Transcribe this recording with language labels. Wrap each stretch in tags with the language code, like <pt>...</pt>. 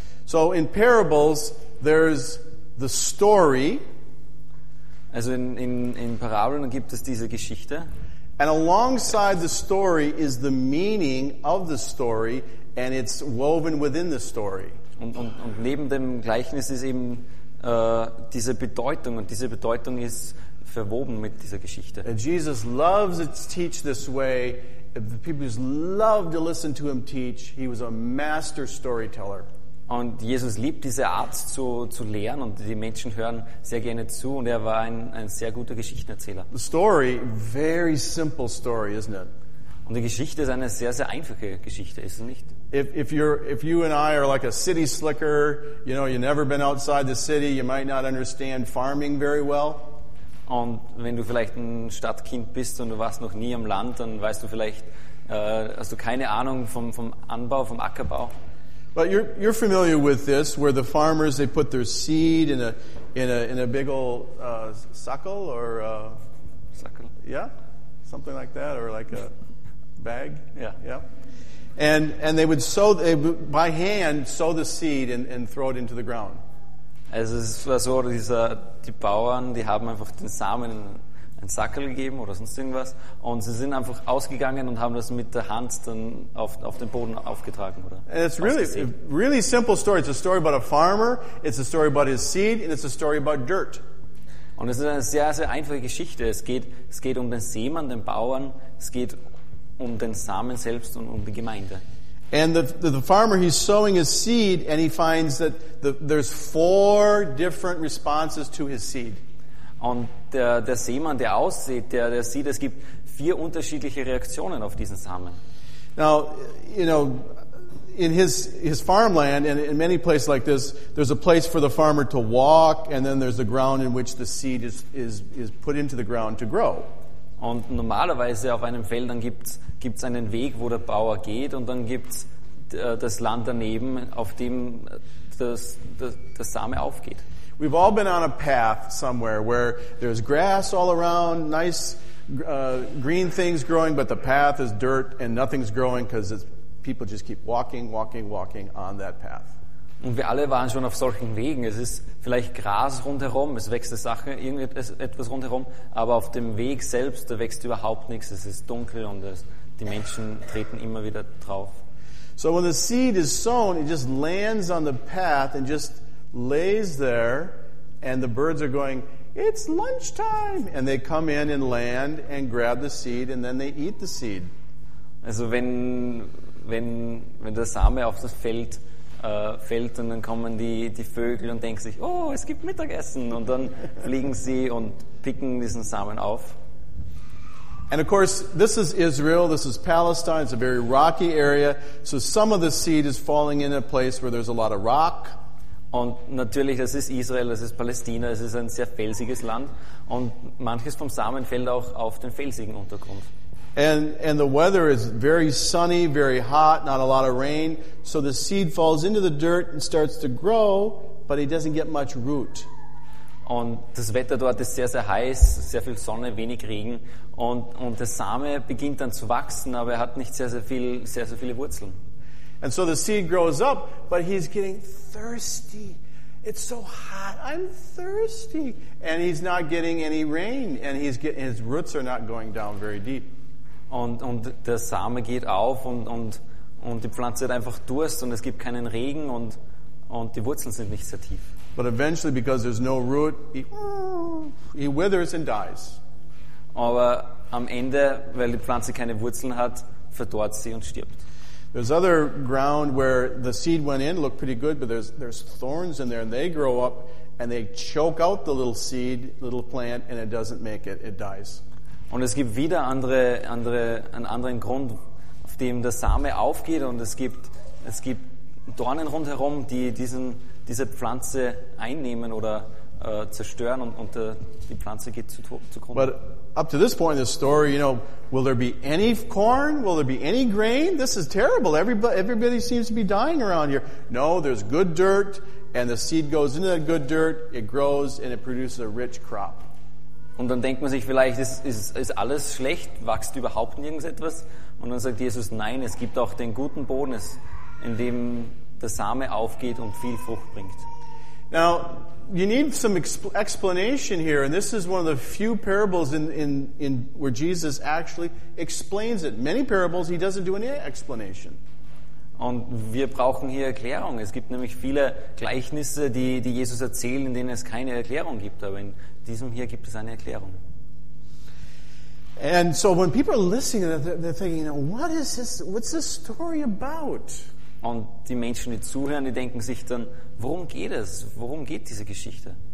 <en>So in parables there's the story.</en> <de>Also in Parabeln gibt es diese Geschichte.</de> <en>And alongside the story is the meaning of the story and it's woven within the story.</en> <de>Und neben dem Gleichnis ist eben diese Bedeutung und diese Bedeutung ist verwoben mit dieser Geschichte.</de> <en>And Jesus loves to teach this way. The people loved to listen to him teach. He was a master storyteller.</en> <de>Und Jesus liebt diese Art zu lehren und die Menschen hören sehr gerne zu und er war ein sehr guter Geschichtenerzähler.</de> <en>The story, very simple story, isn't it?</en> <de>Und die Geschichte ist eine sehr sehr einfache Geschichte, ist es nicht?</de> <en>If you and I are like a city slicker, you know, you've never been outside the city, you might not understand farming very well.</en> <de>Und wenn du vielleicht ein Stadtkind bist und du warst noch nie am Land, dann weißt du vielleicht hast du keine Ahnung vom Anbau, vom Ackerbau.</de> <en>But you're familiar with this, where the farmers they put their seed in a big old sackle or sackle, yeah, something like that, or like a bag, yeah. And they would sow, they would, by hand sow the seed and throw it into the ground.</en> <de>Also es war so, die Bauern, die haben einfach den Samen in einen Sackel gegeben oder sonst irgendwas und sie sind einfach ausgegangen und haben das mit der Hand dann auf den Boden aufgetragen oder.</de> <en>And it's really a really simple story. It's a story about a farmer, it's a story about his seed and it's a story about dirt.</en> <de>Und es ist eine sehr sehr einfache Geschichte. Es geht um den Seemann, den Bauern, es geht um den Samen selbst und um die Gemeinde.</de> <en>And the farmer, he's sowing his seed and he finds that there's four different responses to his seed.</en> <de>Und der Seemann, der aussieht, der sieht, es gibt vier unterschiedliche Reaktionen auf diesen Samen.</de> <en>Now, you know, in his farmland and in many places like this, there's a place for the farmer to walk and then there's a ground in which the seed is put into the ground to grow.</en> <de>Und normalerweise auf einem Feld, dann gibt's einen Weg, wo der Bauer geht und dann gibt's das Land daneben, auf dem das Same aufgeht.</de> <en>We've all been on a path somewhere where there's grass all around, nice green things growing, but the path is dirt and nothing's growing because people just keep walking on that path.</en> <de>Und wir alle waren schon auf solchen Wegen. Es ist vielleicht Gras rundherum, es wächst eine Sache, irgendetwas rundherum, aber auf dem Weg selbst, da wächst überhaupt nichts. Es ist dunkel und die Menschen treten immer wieder drauf.</de> <en>So when the seed is sown, it just lands on the path and just lays there and the birds are going, it's lunchtime, and they come in and land and grab the seed and then they eat the seed.</en> <de>Also wenn der Same auf das Feld fällt und dann kommen die Vögel und denken sich, oh, es gibt Mittagessen und dann fliegen sie und picken diesen Samen auf.</de> <en>And of course, this is Israel, this is Palestine, it's a very rocky area, so some of the seed is falling in a place where there's a lot of rock.</en> <de>Und natürlich, das ist Israel, das ist Palästina, es ist ein sehr felsiges Land und manches vom Samen fällt auch auf den felsigen Untergrund.</de> <en>And the weather is very sunny, very hot, not a lot of rain, so the seed falls into the dirt and starts to grow, but it doesn't get much root.</en> <de>Und das Wetter dort ist sehr sehr heiß, sehr viel Sonne, wenig Regen und der Same beginnt dann zu wachsen, aber er hat nicht sehr sehr viele Wurzeln.</de> <en>And so the seed grows up, but he's getting thirsty. It's so hot. I'm thirsty. And he's not getting any rain and his roots are not going down very deep.</en> <de>Und der Same geht auf und die Pflanze hat einfach Durst und es gibt keinen Regen und die Wurzeln sind nicht sehr tief.</de> <en>But eventually, because there's no root, he withers and dies.</en> <de>Aber am Ende, weil die Pflanze keine Wurzeln hat, verdorrt sie und stirbt.</de> <en>There's other ground where the seed went in, looked pretty good, but there's thorns in there, and they grow up and they choke out the little seed, little plant, and it doesn't make it, it dies.</en> <de>Und es gibt wieder einen anderen Grund, auf dem der Same aufgeht, und es gibt Dornen rundherum, die diese Pflanze einnehmen oder zerstören, und die Pflanze geht zugrunde.</de> <en>But up to this point in the story, you know, will there be any corn? Will there be any grain? This is terrible. Everybody seems to be dying around here. No, there's good dirt, and the seed goes into that good dirt, it grows, and it produces a rich crop.</en> <de>Und dann denkt man sich vielleicht, ist alles schlecht? Wächst überhaupt nirgends etwas? Und dann sagt Jesus, nein, es gibt auch den guten Boden, in dem der Same aufgeht und viel Frucht bringt.</de> <en>Now, you need some explanation here, and this is one of the few parables in where Jesus actually explains it. Many parables, he doesn't do any explanation.</en> <de>Und wir brauchen hier Erklärung. Es gibt nämlich viele Gleichnisse, die Jesus erzählt, in denen es keine Erklärung gibt. Aber in diesem hier gibt es eine Erklärung.</de> <en>And so when people are listening, they're thinking, what is this? What's this story about?</en> <de>Und die Menschen, die zuhören, die denken sich dann, worum geht es? Worum geht diese Geschichte?</de>